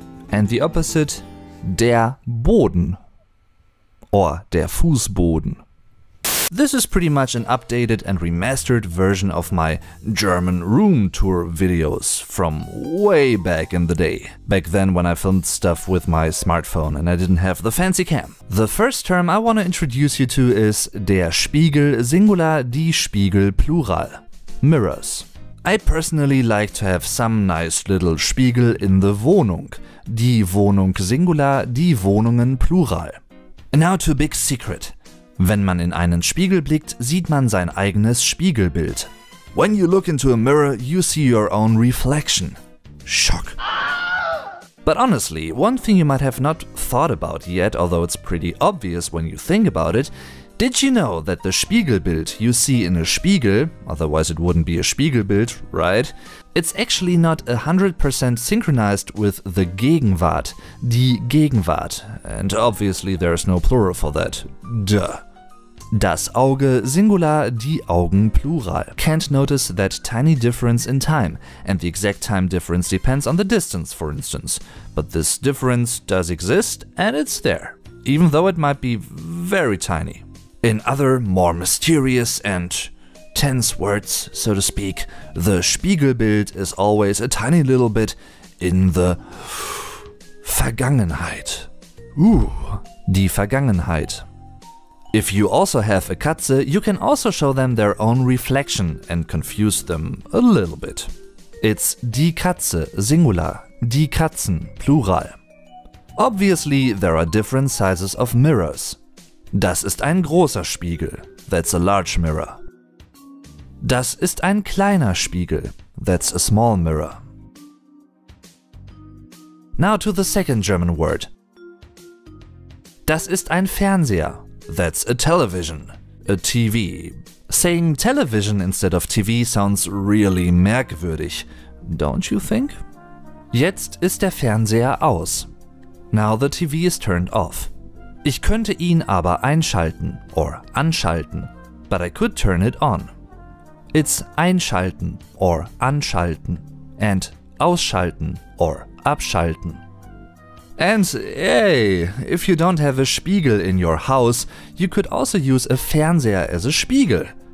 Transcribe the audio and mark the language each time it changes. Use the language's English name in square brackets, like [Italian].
[English] And the opposite, der Boden, or der Fußboden. This is pretty much an updated and remastered version of my German room tour videos from way back in the day. Back then when I filmed stuff with my smartphone and I didn't have the fancy cam. The first term I want to introduce you to is der Spiegel, singular, die Spiegel, plural, mirrors. I personally like to have some nice little Spiegel in the Wohnung. [German] Die Wohnung singular, die Wohnungen plural. [English] Now to a big secret. [German] Wenn man in einen Spiegel blickt, sieht man sein eigenes Spiegelbild. [English] When you look into a mirror, you see your own reflection. Shock. But honestly, one thing you might have not thought about yet, although it's pretty obvious when you think about it, did you know that the Spiegelbild you see in a Spiegel, otherwise it wouldn't be a Spiegelbild, right? It's actually not 100% synchronized with the Gegenwart, die Gegenwart. And obviously there's no plural for that. Duh. [German] Das Auge, singular, die Augen, plural. [English] Can't notice that tiny difference in time. And the exact time difference depends on the distance, for instance. But this difference does exist, and it's there. Even though it might be very tiny. In other, more mysterious and tense words, so to speak, the Spiegelbild is always a tiny little bit in the Vergangenheit. Ooh, die Vergangenheit. If you also have a Katze, you can also show them their own reflection and confuse them a little bit. [German] It's die Katze, singular, die Katzen, plural. [English] Obviously, there are different sizes of mirrors. [German] Das ist ein großer Spiegel. [English] That's a large mirror. [German] Das ist ein kleiner Spiegel. [English] That's a small mirror. Now to the second German word. [German] Das ist ein Fernseher. [English] That's a television. A TV. Saying television instead of TV sounds really merkwürdig. Don't you think? [German] Jetzt ist der Fernseher aus. [English] Now the TV is turned off. [German] Ich könnte ihn aber einschalten, [English] or anschalten, but I could turn it on. It's einschalten, or anschalten, and ausschalten, or abschalten. And hey, if you don't have a Spiegel in your house, you could also use a Fernseher as a Spiegel.